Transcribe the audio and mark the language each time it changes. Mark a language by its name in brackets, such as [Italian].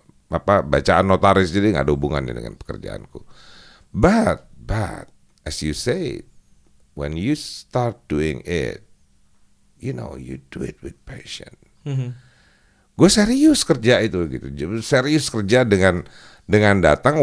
[Indonesian] Apa bacaan notaris, jadi nggak ada hubungannya dengan pekerjaanku. [English] But as you say, when you start doing it, you know, you do it with passion. [Indonesian] Gue serius kerja itu gitu, serius kerja dengan datang.